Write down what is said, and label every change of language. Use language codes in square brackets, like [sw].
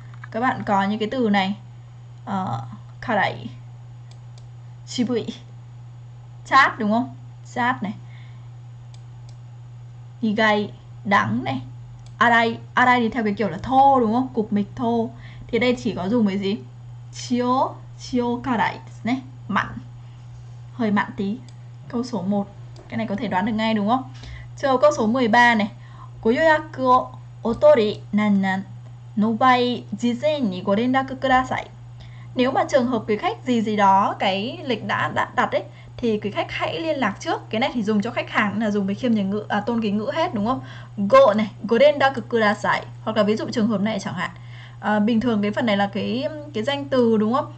[vi] Các bạn có những cái từ này, karai, shibui, chát đúng không, chát này, nigai, đắng này, arai, arai thì theo cái kiểu là thô đúng không, cục mịch thô, thì đây chỉ có dùng cái gì, chio, chio karai này, mặn, hơi mặn tí. Câu số 1 cái này có thể đoán được ngay đúng không? Chờ câu số 13 này, [ja] ご予約をお取り なんなん の場合、事前にご連絡ください。 [vi] Nếu mà trường hợp cái khách gì gì đó cái lịch đã đặt ấy thì cái khách hãy liên lạc trước. Cái này thì dùng cho khách hàng là dùng với khiêm nhường ngữ, à, tôn kính ngữ hết đúng không? Go này, go den da cực kỳ dài. Hoặc là ví dụ trường hợp này chẳng hạn, à, bình thường cái phần này là cái danh từ đúng không?